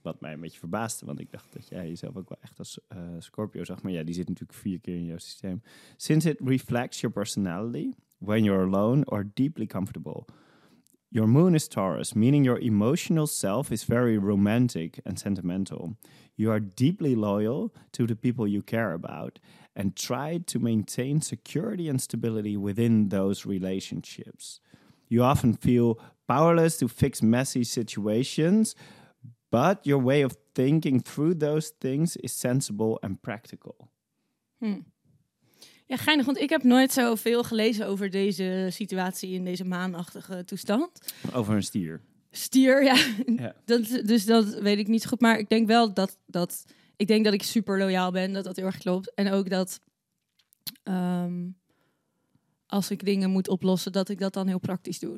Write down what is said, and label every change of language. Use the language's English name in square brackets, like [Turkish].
[Dutch] Wat mij een beetje verbaasde, want ik dacht dat jij jezelf ook wel echt als Scorpio zag. Maar ja, die zit natuurlijk vier keer in jouw systeem. [English] Since it reflects your personality when you're alone or deeply comfortable. Your moon is Taurus, meaning your emotional self is very romantic and sentimental. You are deeply loyal to the people you care about and try to maintain security and stability within those relationships. You often feel powerless to fix messy situations, but your way of thinking through those things is sensible and practical. [Dutch] Ja, geinig, want ik heb nooit zoveel gelezen over deze situatie in deze maanachtige toestand. Over een stier. Stier, ja. Dus dat weet ik niet goed, maar ik denk wel dat ik denk dat ik super loyaal ben, dat heel erg klopt. En ook dat als ik dingen moet oplossen, dat ik dat dan heel praktisch doe.